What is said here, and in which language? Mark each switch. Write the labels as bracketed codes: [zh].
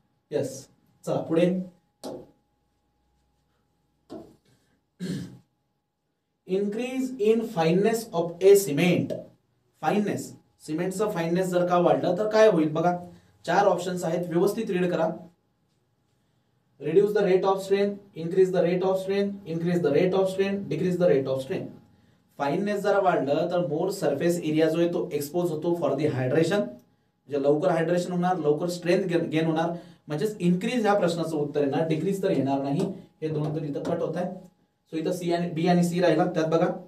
[mr] Yes, चला पुढे. [en] Increase in fineness of a cement. [mr] Fineness, सिमेंटचं fineness जर का वाढलं तर काय होईल? बघा, चार ऑप्शन्स आहेत, व्यवस्थित रीड करा. [en] Reduce the rate of strength, increase the rate of strength, increase the rate of strength, decrease the rate of strength. [mr] Fineness जर वाढलं तर मोर सर्फेस एरिया जो आहे तो एक्सपोज होतो फॉर द हायड्रेशन, म्हणजे लवकर हायड्रेशन होणार, लवकर स्ट्रेंथ गेन होणार, म्हणजेच इन्क्रीज ह्या प्रश्नाचं उत्तर येणार, डिक्रीज तर येणार नाही. हे दोन तर इथं कट होत आहे. सो इथं सी आणि बी आणि सी राहिला, त्यात बघा.